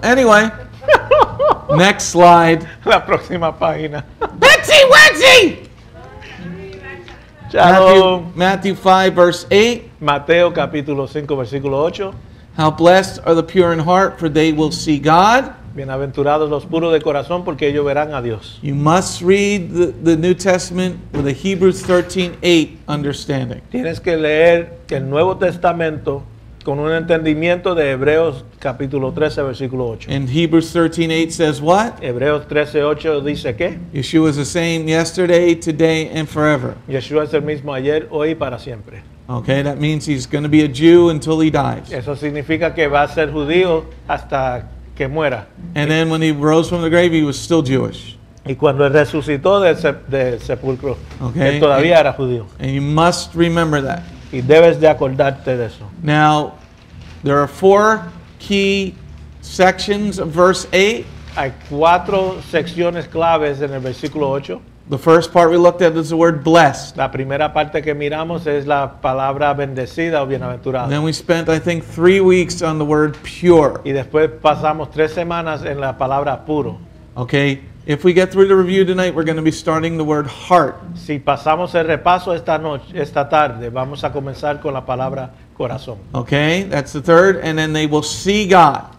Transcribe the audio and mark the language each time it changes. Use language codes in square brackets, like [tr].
[en] Anyway, next slide. [es] La próxima página. [en] Betsy Wetsy! Matthew 5, verse 8. [es] Mateo, capítulo 5, versículo 8. [en] How blessed are the pure in heart, for they will see God. [es] Bienaventurados los puros de corazón, porque ellos verán a Dios. [en] You must read the New Testament with a Hebrews 13:8 understanding. [es] Tienes que leer el Nuevo Testamento con un entendimiento de Hebreos capítulo 13, versículo 8. [en] And Hebrews 13:8 says what? [es] Hebreos 13:8 dice qué? [en] Yeshua is the same yesterday, today, and forever. [es] Yeshua es el mismo ayer, hoy, para siempre. [en] Okay, that means he's going to be a Jew until he dies. [es] Eso significa que va a ser judío hasta que muera. [en] And then when he rose from the grave, he was still Jewish. [es] Y cuando él resucitó del sepulcro, [en] okay, [es] él todavía era judío. [en] And you must remember that. [es] Y debes de acordarte de eso. [en] Now, there are four key sections of verse 8. [es] Hay cuatro secciones claves en el versículo 8. [en] The first part we looked at is the word blessed. [es] La primera parte que miramos es la palabra bendecida o bienaventurada. [en] Then we spent, I think, 3 weeks on the word pure. [es] Y después pasamos 3 semanas en la palabra puro. [en] Okay. If we get through the review tonight, we're going to be starting the word heart. [es] Si pasamos el repaso esta noche, esta tarde, vamos a comenzar con la palabra corazón. [en] Okay, that's the third, and then they will see God.